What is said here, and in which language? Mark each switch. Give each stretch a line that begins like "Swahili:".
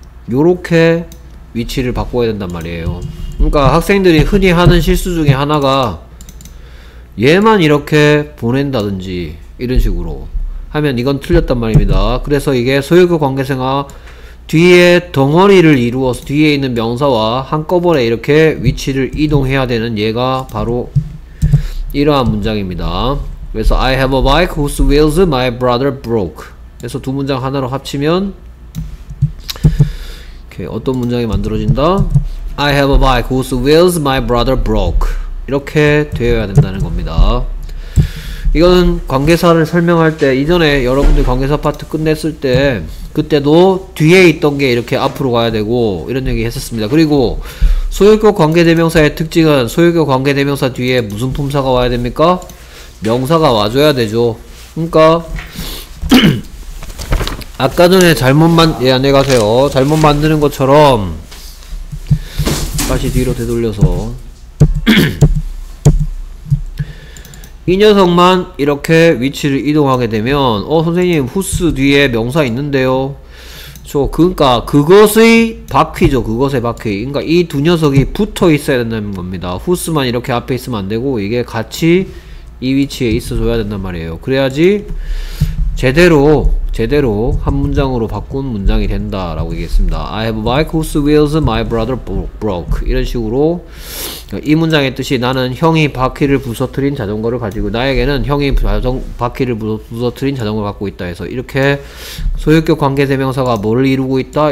Korean: 요렇게 위치를 바꿔야 된단 말이에요. 그러니까 학생들이 흔히 하는 실수 중에 하나가 얘만 이렇게 보낸다든지 이런 식으로 하면 이건 틀렸단 말입니다. 그래서 이게 소유격 관계사가 뒤에 덩어리를 이루어서 뒤에 있는 명사와 한꺼번에 이렇게 위치를 이동해야 되는 얘가 바로 이러한 문장입니다. 그래서
English: I have a bike whose wheels my brother broke.
Korean: 그래서 두 문장 하나로 합치면 이렇게 어떤 문장이 만들어진다?
English: I have a bike whose wheels my brother broke.
Korean: 이렇게 되어야 된다는 겁니다. 이거는 관계사를 설명할 때 이전에 여러분들 관계사 파트 끝냈을 때 그때도 뒤에 있던 게 이렇게 앞으로 가야 되고 이런 얘기 했었습니다. 그리고 소유격 관계대명사의 특징은 소유격 관계대명사 뒤에 무슨 품사가 와야 됩니까? 명사가 와줘야 되죠. 그러니까 아까 전에 안녕하세요. 잘못 만드는 것처럼 다시 뒤로 되돌려서 이 녀석만 이렇게 위치를 이동하게 되면 선생님 후스 뒤에 명사 있는데요. 저 그러니까 그것의 바퀴죠. 그것의 바퀴. 그러니까 이두 녀석이 붙어 있어야 된다는 겁니다. 후스만 이렇게 앞에 있으면 안 되고 이게 같이 이 위치에 있어줘야 된단 말이에요. 그래야지 제대로 한 문장으로 바꾼 문장이 된다라고 얘기했습니다.
English: I have a bike whose wheels my brother broke.
Korean: 이런 식으로 이 문장의 뜻이 나는 형이 바퀴를 부서뜨린 자전거를 가지고 나에게는 형이 바퀴를 부서뜨린 자전거를 갖고 있다 해서 이렇게 소유격 관계대명사가 뭘 이루고 있다?